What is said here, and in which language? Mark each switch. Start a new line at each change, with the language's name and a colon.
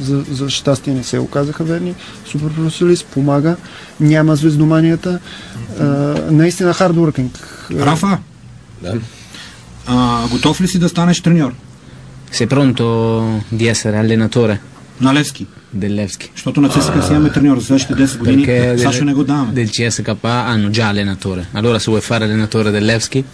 Bulgarian: За щастие не се оказаха верни. Супер професионалист, помага. Няма звездоманията. Наистина хардворкинг. Рафа, да. Готов ли си да станеш треньор?
Italian: Sei pronto di essere allenatore?
Bulgarian: Na Levski.
Italian: Del Levski.
Bulgarian: Защото на ЦСКА си имаме треньор за следващите 10 години. Сашо не го даваме.
Italian: Del CSKA hanno già allenatore. Allora se vuoi fare allenatore del Levski?